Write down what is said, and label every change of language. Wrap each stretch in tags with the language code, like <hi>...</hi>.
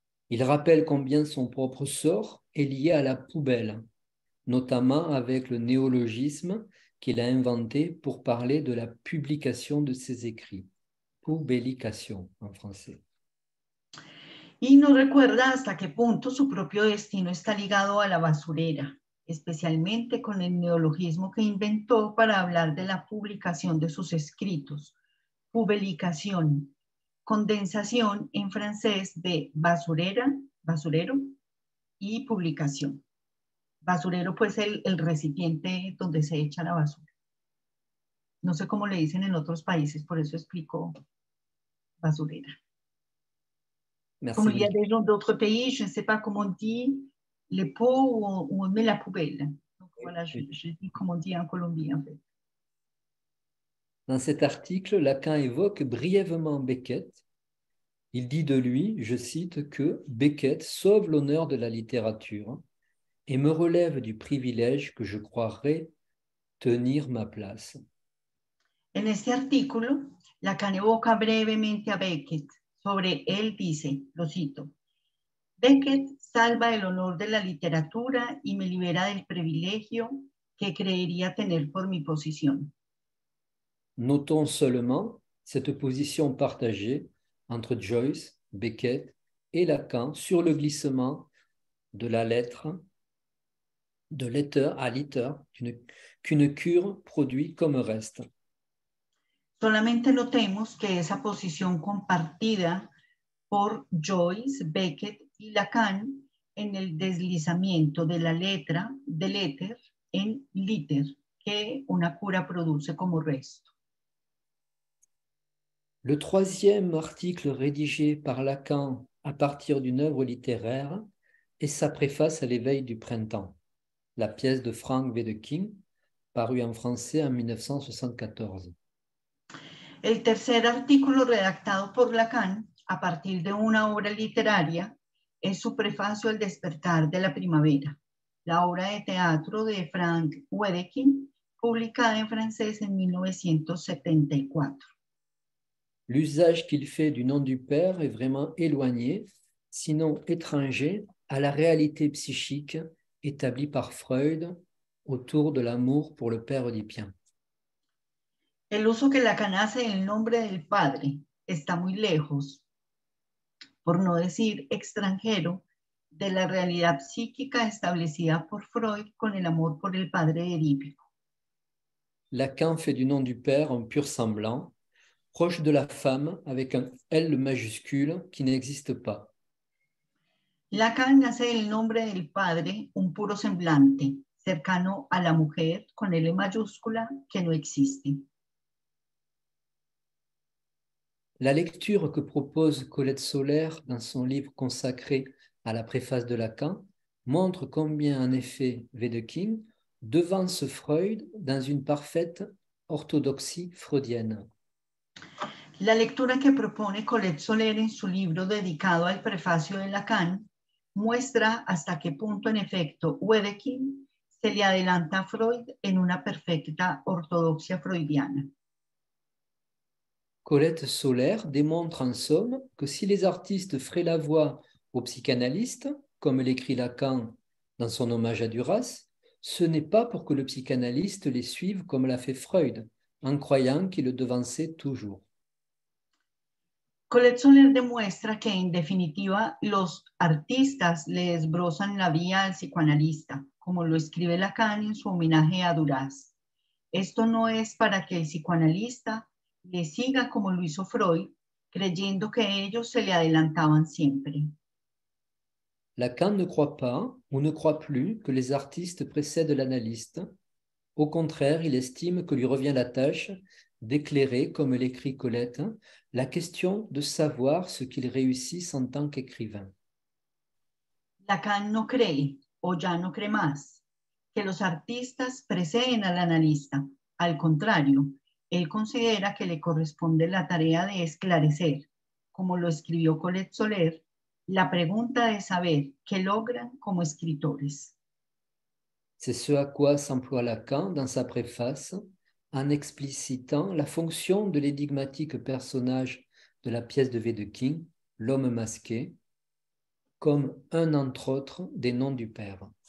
<fr>Il rappelle combien son propre sort est lié à la poubelle, notamment avec le néologisme qu'il a inventé pour parler de la publication de ses écrits, poubellication en français.</fr> <es>Y no recuerda hasta qué punto su propio destino está ligado a la basurera, especialmente con el neologismo que inventó para hablar de la publicación de sus escritos, publicación, condensación en francés de basurera, basurero, y publicación, Basurero, pues el recipiente donde se echa la basura. No sé cómo le dicen en otros países, por eso explico basurera.</es> <fr>Merci.</fr> <es>Como</es> <fr>il y a des gens d'autres pays, je ne sais pas comment on dit les pots où on met la poubelle. Donc voilà, je dis comment on dit en Colombie en fait. Dans cet article, Lacan évoque brièvement Beckett. Il dit de lui, je cite, que Beckett sauve l'honneur de la littérature et me relève du privilège que je croirais tenir ma place.</fr> <es>En este artículo, Lacan</es> <fr>évoque brièvement Beckett.</fr> <es>Sobre él dice, lo cito, Beckett salva el honor de la literatura y me libera del privilegio que creería tener por mi posición.</es> <fr>Notons seulement cette position partagée entre Joyce, Beckett et Lacan sur le glissement de la lettre, de letter à litter, qu'une cure produit comme reste.</fr> <es>Solamente notemos que esa posición compartida por Joyce, Beckett y Lacan en el deslizamiento de la letra, del éter, en liter, que una cura produce como resto.</es> <fr>Le troisième article rédigé par Lacan à partir d'une œuvre littéraire est sa préface à l'éveil du printemps, la pièce de Frank Wedekind, parue en français en 1974.</fr> <es>El tercer artículo redactado por Lacan a partir de una obra literaria es su prefacio al despertar de la primavera, la obra de teatro de Frank Wedekind, publicada en francés en 1974.</es> <fr>L'usage qu'il fait du nom du père est vraiment éloigné, sinon étranger, à la réalité psychique établie par Freud autour de l'amour pour le père oedipien.</fr> <es>El uso que Lacan hace del nombre del padre está muy lejos, por no decir extranjero, de la realidad psíquica establecida por Freud con el amor por el padre edípico.</es> <fr>Lacan fait du nom du père un pur semblant, proche de la femme avec un L majuscule qui n'existe pas.</fr> <es>Lacan hace del nombre del padre un puro semblante, cercano a la mujer con L mayúscula que no existe.</es> <fr>La lecture que propose Colette Solaire dans son livre consacré à la préface de Lacan montre combien, en effet, Wedekind devance Freud dans une parfaite orthodoxie freudienne.</fr> <es>La lectura que propone Colette Solaire en su libro dedicado al prefacio de Lacan muestra hasta qué punto, en efecto, Wedekind se le adelanta a Freud en una perfecta ortodoxia freudiana.</es> <fr>Colette Solaire démontre en somme que si les artistes feraient la voix aux psychanalystes, comme l'écrit Lacan dans son hommage à Duras, ce n'est pas pour que le psychanalyste les suive comme l'a fait Freud, en croyant qu'il le devançait toujours.</fr> <es>Colette Solaire demuestra que, en definitiva, los artistas le desbrozan la vía al psicoanalista, como lo escribe Lacan en su homenaje a Duras. Esto no es para que el psicoanalista le siga como lo hizo Freud, creyendo que ellos se le adelantaban siempre.</es> <fr>Lacan ne croit pas ou ne croit plus que les artistes précèdent l'analyste. Au contraire, il estime que lui revient la tâche d'éclairer, comme l'écrit Colette, la question de savoir ce qu'il réussisse en tant qu'écrivain.</fr> <es>Lacan no cree, o ya no cree más, que los artistas preceden al analista. Al contrario, él considera que le corresponde la tarea de esclarecer, como lo escribió Colette Soler, la pregunta de saber qué logran como escritores.</es> <fr>C'est ce à quoi s'emploie Lacan dans sa préface, en explicitant la fonction de l'énigmatique personnage de la pièce de Wedekind, l'homme masqué, comme un entre autres des noms du père.</fr>